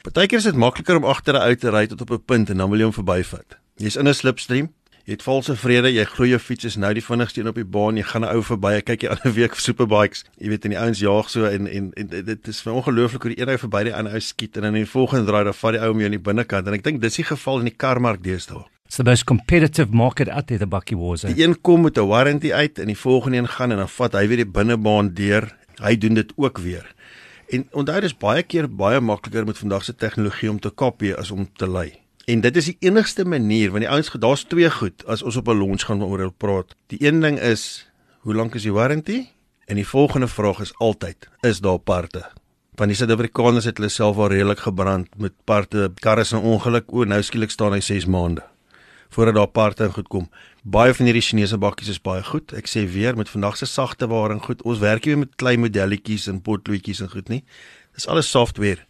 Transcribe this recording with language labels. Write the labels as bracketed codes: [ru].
[af] Partykeer is dit makliker om agter 'n ou te ry tot op 'n punt en dan wil jy hom verbyvat. Jy's in 'n slipstream. Jy het valse vrede, jy glo jou fiets is nou die vinnigste een op die baan, jy gaan 'n ou verby, kyk jy ander week superbikes, jy weet, en die ouens jaag so en dit is vir ongelooflik hoe die een ou verby die ander ou skiet en dan die volgende draai dan vat die ou hom jou in die binnekant en ek dink dis die geval in die karmark deesdae. [en] It's the most competitive market out there, the bakkie wars. [af] Die een kom met 'n warranty uit en die volgende een gaan en dan vat hy weer die binnebaan deur, hy doen dit ook weer. En onthou, dis baie keer baie makliker met vandag se tegnologie om te kopie as om te lei. En dit is die enigste manier, want die ouens, daar's twee goed as ons op 'n launch gaan oor hulle praat. Die een ding is, hoe lank is die warranty? En die volgende vraag is altyd, is daar parte? Want die Suid-Afrikaners het hulle self al redelik gebrand met parte. Karre se ongeluk, o, nou skielik staan hy 6 maande voordat daar parte in goed kom. Baie van hierdie Chinese bakkies is baie goed. Ek sê weer, met vandag se sagte waring goed, ons werk nie met klein modelletjies en potloodjies en goed nie. Dis alles software.